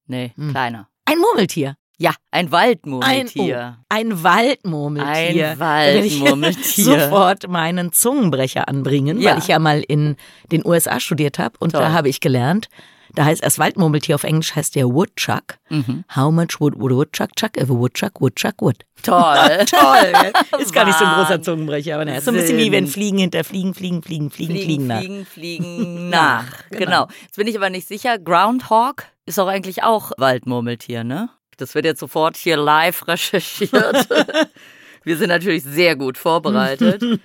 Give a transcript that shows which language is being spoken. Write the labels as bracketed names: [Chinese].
[German] Nee, kleiner. Ein Murmeltier. Ja, ein Waldmurmeltier. Ein Waldmurmeltier. Würde ich sofort meinen Zungenbrecher anbringen, ja. Weil ich ja mal in den USA studiert habe und Toll. Da habe ich gelernt, da heißt das Waldmurmeltier auf Englisch heißt der Woodchuck. Mhm. [English] How much wood would a woodchuck chuck if a woodchuck woodchuck would? [German] Toll. Toll. Ist gar nicht so ein großer Zungenbrecher, aber naja, so ein bisschen wie wenn Fliegen hinter Fliegen, Fliegen, Fliegen, Fliegen, Fliegen, Fliegen nach. Fliegen, Fliegen nach. Genau. Jetzt bin ich aber nicht sicher. Groundhog ist auch eigentlich auch Waldmurmeltier, ne? Das wird jetzt sofort hier live recherchiert. Wir sind natürlich sehr gut vorbereitet.